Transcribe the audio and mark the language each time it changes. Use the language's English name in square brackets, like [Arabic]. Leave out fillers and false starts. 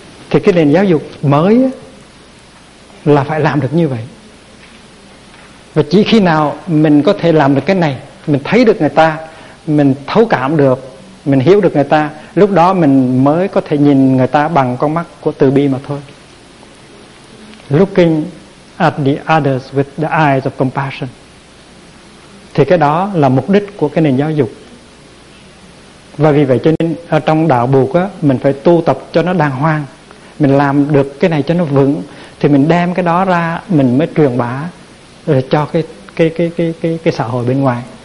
[Vietnamese] Thì cái nền giáo dục mới là phải làm được như vậy. Và chỉ khi nào mình có thể làm được cái này, mình thấy được người ta, mình thấu cảm được, mình hiểu được người ta, lúc đó mình mới có thể nhìn người ta bằng con mắt của từ bi mà thôi. [English] Looking at the others with the eyes of compassion. [Vietnamese] Thì cái đó là mục đích của cái nền giáo dục. Và vì vậy cho nên ở trong đạo buộc á, mình phải tu tập cho nó đàng hoàng. Mình làm được cái này cho nó vững, thì mình đem cái đó ra, mình mới truyền bá cho cái xã hội bên ngoài.